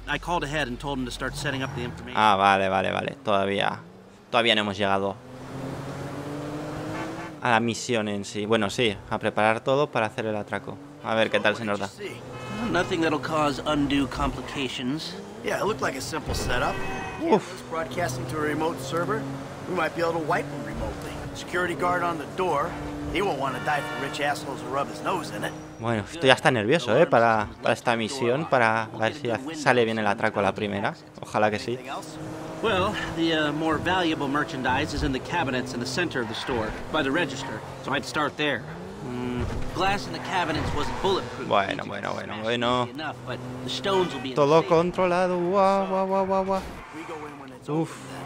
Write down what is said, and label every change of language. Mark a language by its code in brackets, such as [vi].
[en] I called ahead and told him to start setting up the information. [es] Ah, vale, vale, vale. Todavía no hemos llegado a la misión en sí. Bueno, sí, a preparar todo para hacer el atraco. A ver qué tal se nos da. [en] Nothing that'll cause undue complications. Yeah, it looked like a simple setup. Uf. It's broadcasting to a remote server. We might be able to wipe them remotely. Security guard on the door. He won't want to die for rich assholes who rub his nose in it. [es] Bueno, estoy hasta nervioso, para esta misión, para ver si sale bien el atraco a la primera. Ojalá que sí. [en] Well, the more valuable merchandise is in the cabinets in the center of the store, by the register. So I'd start there. Glass in the cabinets was bulletproof. [es] Bueno. Todo controlado. Wow. Uf.